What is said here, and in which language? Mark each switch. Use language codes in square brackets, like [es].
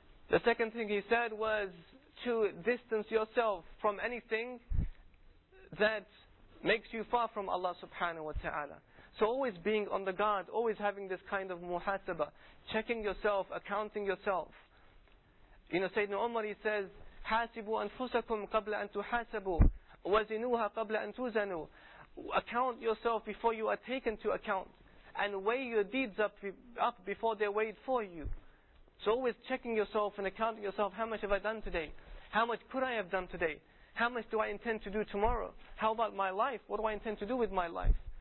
[en] The second thing he said was to distance yourself from anything that makes you far from Allah subhanahu wa ta'ala. So always being on the guard, always having this kind of muhasabah, checking yourself, accounting yourself. You know, Sayyidina Umar, he says, [ar] حَاسِبُوا أَنفُسَكُمْ قَبْلَ أَن تُحَاسَبُوا وَزِنُوهَا قَبْلَ أَن تُزَنُوا. [en] Account yourself before you are taken to account, and weigh your deeds up before they're weighed for you. So always checking yourself and accounting yourself, how much have I done today? How much could I have done today? How much do I intend to do tomorrow? How about my life? What do I intend to do with my life?